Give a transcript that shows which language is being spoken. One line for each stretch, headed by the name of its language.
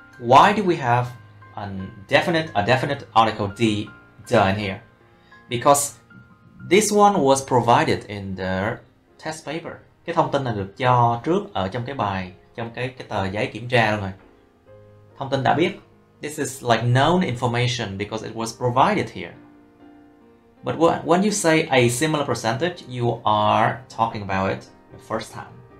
English: Why do we have a definite article the in here? Because this one was provided in the test paper.
Vietnamese: Cái thông tin này được cho trước ở trong cái bài, trong cái tờ giấy kiểm tra rồi. Thông tin đã biết.
English: This is like known information because it was provided here. But when you say a similar percentage, you are talking about it the first time.